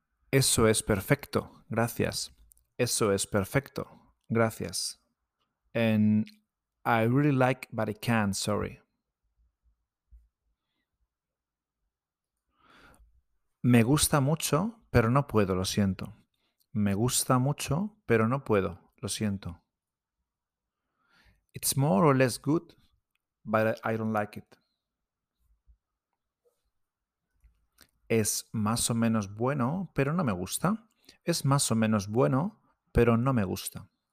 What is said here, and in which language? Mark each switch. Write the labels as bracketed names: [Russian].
[Spanish] Eso es perfecto, gracias. Eso es perfecto, gracias. [English] And I really like, but I can't, sorry. [Spanish] Me gusta mucho, pero no puedo, lo siento. Me gusta mucho, pero no puedo, lo siento. [English] It's more or less good, but I don't like it. [Spanish] Es más o menos bueno, pero no me gusta. Es más o menos bueno, pero no me gusta.